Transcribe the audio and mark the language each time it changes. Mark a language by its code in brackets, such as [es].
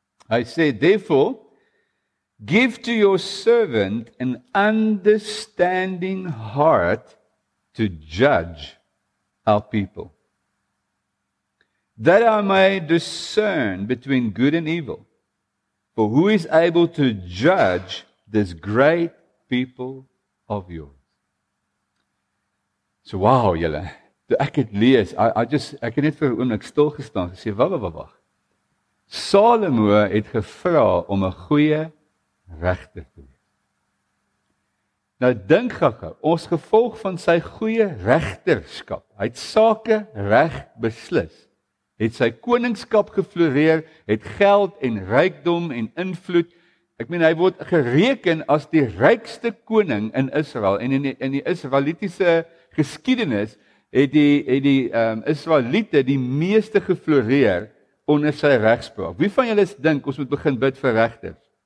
[af] Hy sê, [en] therefore, give to your servant an understanding heart to judge our people. That I may discern between good and evil. For who is able to judge this great people of yours? [af] So wow, julle. Ek het lees, ek het net vir 'n oomblik stil gestaan en gesê, "Wag." Salomo het gevra om 'n goeie regter te wees. Nou dink gaga, ons gevolg van sy goeie regterskap. Hy het sake reg beslis. Het sy koningskap gefloreer, het geld en rykdom en invloed. Ek meen hy word gereken as die rykste koning in Israel en in die Israelitiese geskiedenis het die Israeliete die meeste gefloreer onder sy regspraak. Wie van julle dink ons moet begin bid vir regters?